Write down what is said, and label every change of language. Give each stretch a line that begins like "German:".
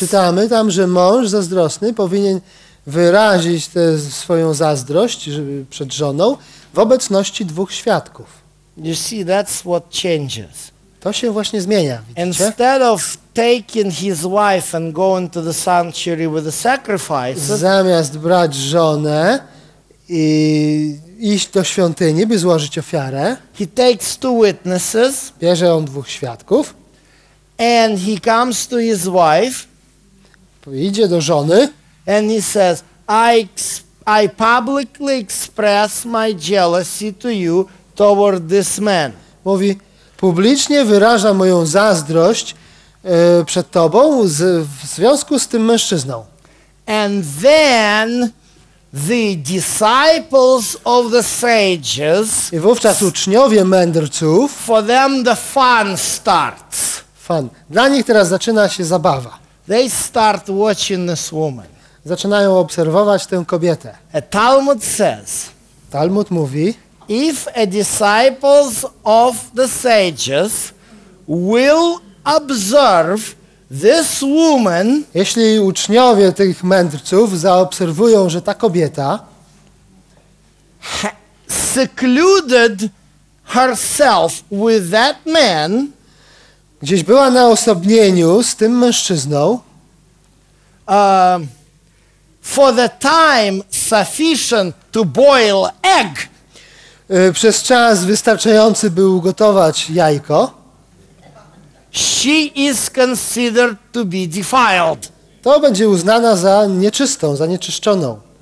Polish: Czytamy tam, że mąż zazdrosny powinien wyrazić tę swoją zazdrość przed żoną w obecności dwóch świadków.
English: You see, that's what changes.
Polish: To się właśnie zmienia, widzicie?
English: Instead of taking his wife and going to the sanctuary with the sacrifice.
Polish: Zamiast brać żonę i iść do świątyni, by złożyć ofiarę.
English: He takes two witnesses.
Polish: Bierze on dwóch świadków.
English: And he comes to his wife.
Polish: Idzie do żony.
English: And he says, I publicly express my jealousy to you toward this man.
Polish: Mówi, publicznie wyrażam moją zazdrość przed tobą w związku z tym mężczyzną.
English: And then the disciples of the sages.
Polish: I wówczas uczniowie mędrców.
English: For them the fun starts. Fun.
Polish: Dla nich teraz zaczyna się zabawa.
English: They start watching this woman.
Polish: Zaczynają obserwować tę kobietę.
English: A Talmud says.
Polish: Talmud mówi.
English: If a disciples of the sages will observe this woman,
Polish: jeśli uczniowie tych mędrców zaobserwują, że ta kobieta
English: secluded herself with that man,
Polish: gdzieś była na osobnieniu z tym mężczyzną,
English: for the time sufficient to boil egg.
Polish: Przez czas wystarczający, by ugotować jajko.
English: She is considered to be defiled.
Polish: To będzie uznana za nieczystą, za nieczyszczoną.